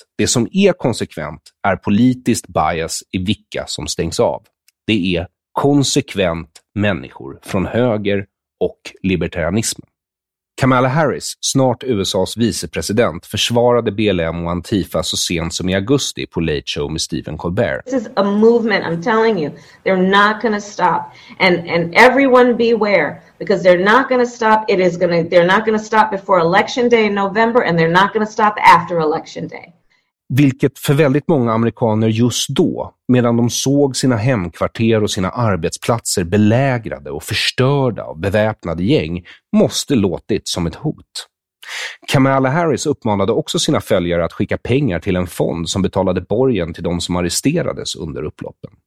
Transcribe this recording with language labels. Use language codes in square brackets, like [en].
[sv] Det som är konsekvent är politiskt bias i vilka som stängs av. Det är konsekvent människor från höger och libertarianismen. Kamala Harris, snart USAs vicepresident, försvarade BLM och Antifa så sent som i augusti på Late Show med Stephen Colbert. [en] "This is a movement, I'm telling you. They're not going to stop. And everyone beware, because they're not going to stop. They're not going to stop before election day in November, and they're not going to stop after election day." [sv] Vilket för väldigt många amerikaner just då, medan de såg sina hemkvarter och sina arbetsplatser belägrade och förstörda av beväpnade gäng, måste låtit som ett hot. Kamala Harris uppmanade också sina följare att skicka pengar till en fond som betalade borgen till de som arresterades under upploppen.